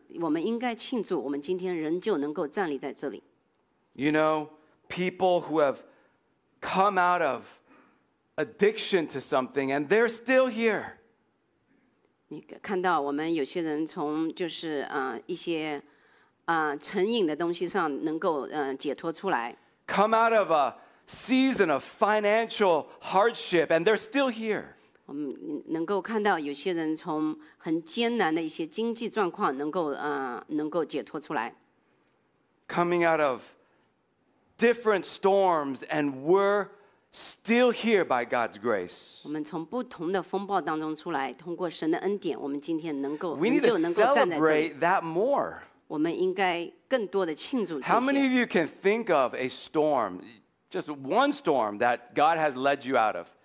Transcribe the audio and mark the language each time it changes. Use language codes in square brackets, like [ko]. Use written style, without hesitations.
[zh] 我们应该庆祝我们今天仍旧能够站立在这里。 [en] You know, people who have come out of addiction to something and they're still here. [zh] 你看到我们有些人从就是 一些成瘾的东西上能够解脱出来。 [en] Come out of a season of financial hardship and they're still here. [zh] 能够看到有些人从很艰难的一些经济状况能够解脱出来。 [en] Coming out of different storms and we're still here by God's grace. We need to celebrate that more. How many of you can think of a storm, just one storm that God has led you out of?